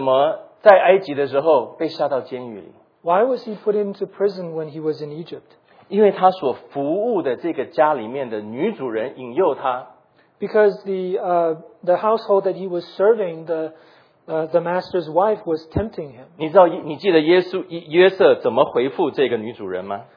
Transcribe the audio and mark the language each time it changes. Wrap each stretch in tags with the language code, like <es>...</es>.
<zh>约瑟为什么在埃及的时候被下到监狱里？</zh> <en>Why was he put into prison when he was in Egypt?</en> <zh>因为他所服务的这个家里面的女主人引诱他。</zh> <en>Because the household that he was serving, the master's wife was tempting him.</en> <zh>你知道你记得约瑟怎么回复这个女主人吗？</zh>